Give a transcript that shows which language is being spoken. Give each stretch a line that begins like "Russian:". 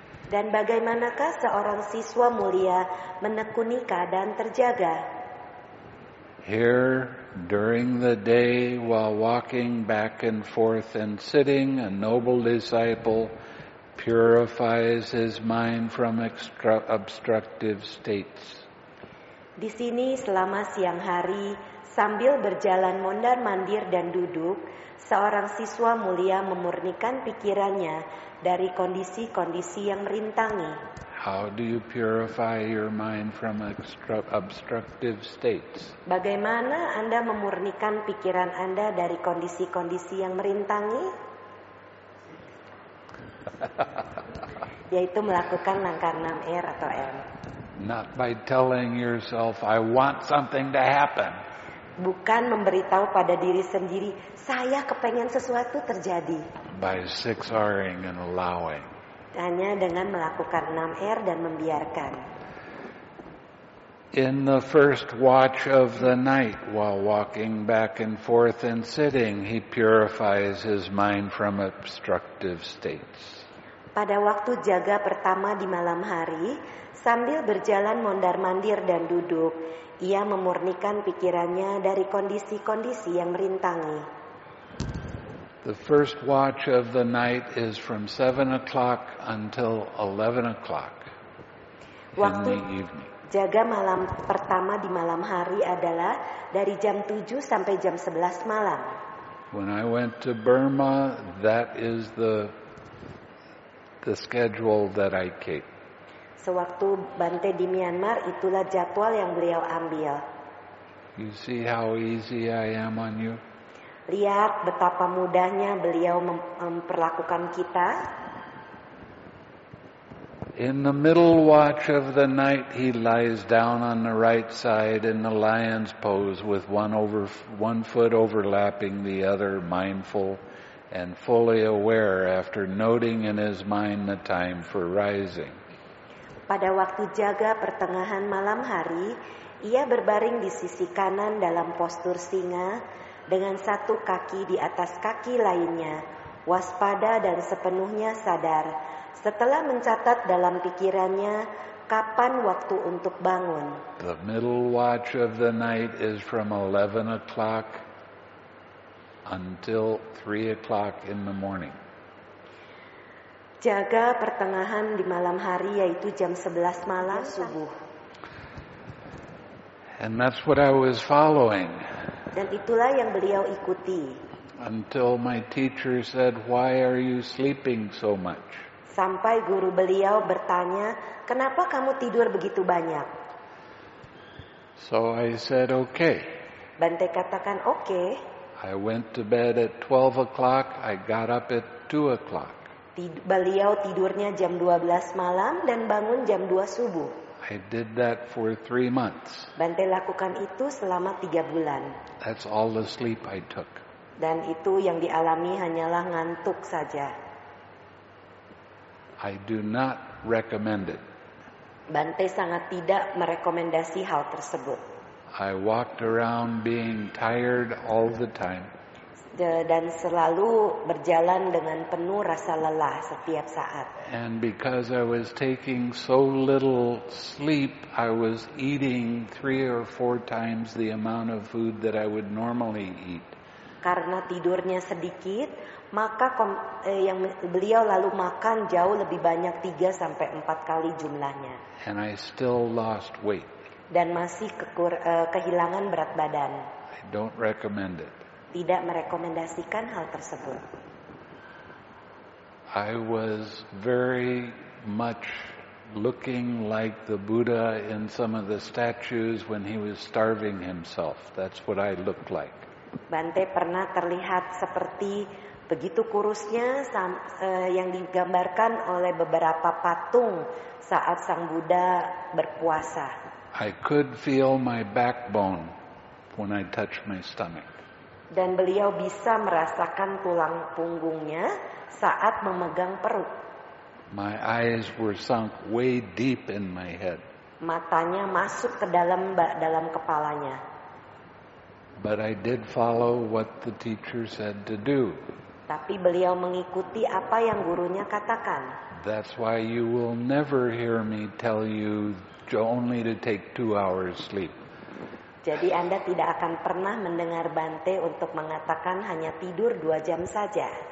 Indonesian: Dan bagaimanakah seorang siswa mulia menekuni keadaan terjaga?
English: Here, during the day, while walking back and forth and sitting, a noble disciple purifies his mind from obstructive states.
Indonesian: Di sini, selama siang hari, sambil berjalan mondar-mandir dan duduk, seorang siswa mulia memurnikan pikirannya dari kondisi-kondisi yang merintangi.
English: How do you purify your mind from obstructive states?
Indonesian: Bagaimana Anda memurnikan pikiran Anda dari kondisi-kondisi yang merintangi? Yaitu melakukan langkah 6R atau M.
English: Not by telling yourself, I want something to happen.
Indonesian: Bukan memberitahu pada diri sendiri, saya kepengen sesuatu terjadi.
English: By 6R-ing and allowing.
Indonesian: Hanya dengan melakukan 6R dan membiarkan.
English: In the first watch of the night, while walking back and forth and sitting, he purifies his mind from obstructive states.
Indonesian: Pada waktu jaga pertama di malam hari, sambil berjalan mondar-mandir dan duduk, ia memurnikan pikirannya dari kondisi-kondisi yang merintangi.
English: The first watch of the night is from 7 o'clock until 11 o'clock waktu in the evening.
Indonesian: Jaga malam pertama di malam hari adalah dari jam 7 sampai jam 11 malam.
English: When I went to Burma, that is the schedule that I keep.
Indonesian: Sewaktu Bante di Myanmar, itulah jadwal yang beliau ambil.
English: You see how easy I am on you?
Indonesian: Lihat betapa mudahnya beliau memperlakukan kita.
English: In the middle watch of the night, he lies down on the right side in the lion's pose with one foot overlapping the other, mindful and fully aware, after noting in his mind the time for rising.
Indonesian: Pada waktu jaga pertengahan malam hari, ia berbaring di sisi kanan dalam postur singa dengan satu kaki di atas kaki lainnya, waspada dan sepenuhnya sadar, setelah mencatat dalam pikirannya kapan waktu untuk bangun.
English: The middle watch of the night is from 11 o'clock until 3 o'clock in the morning.
Indonesian: Jaga pertengahan di malam hari, yaitu jam 11 malam subuh.
English: And that's what I was following.
Indonesian: Dan itulah yang beliau ikuti.
English: Until my teacher said, why are you sleeping so much?
Indonesian: Sampai guru beliau bertanya, kenapa kamu tidur begitu banyak?
English: So I said, okay.
Indonesian: Bante katakan, okay.
English: I went to bed at 12 o'clock, I got up at 2 o'clock.
Indonesian: Beliau tidurnya jam 12 malam dan bangun jam 2 subuh.
English: I did that for 3 months.
Indonesian: Bante lakukan itu selama 3 bulan.
English: That's all the sleep I took.
Indonesian: Dan itu yang dialami hanyalah ngantuk saja.
English: I do not recommend it.
Indonesian: Bante sangat tidak merekomendasi hal tersebut.
English: I walked around being tired all the time.
Indonesian: dan selalu berjalan dengan penuh rasa lelah setiap saat.
English: And because I was taking so little sleep, I was eating 3 or 4 times the amount of food that I would normally eat.
Indonesian: Karena tidurnya sedikit, maka yang beliau lalu makan jauh lebih banyak 3-4 kali jumlahnya.
English: And I still lost weight.
Indonesian: Dan masih kehilangan berat badan.
English: I don't recommend it.
Indonesian: Tidak merekomendasikan hal tersebut.
English: I was very much looking like the Buddha in some of the statues when he was starving himself. That's what I looked like.
Indonesian: Bante pernah terlihat seperti begitu kurusnya yang digambarkan oleh beberapa patung saat sang Buddha berpuasa.
English: I could feel my backbone when I touched my stomach.
Indonesian: Dan beliau bisa merasakan tulang punggungnya saat memegang perut.
English: My eyes were sunk way deep in my head.
Indonesian: Matanya masuk ke dalam kepalanya.
English: But I did follow what the teacher said to do.
Indonesian: Tapi beliau mengikuti apa yang gurunya katakan.
English: That's why you will never hear me tell you only to take 2 hours sleep.
Indonesian: Jadi Anda tidak akan pernah mendengar Bante untuk mengatakan hanya tidur 2 jam saja.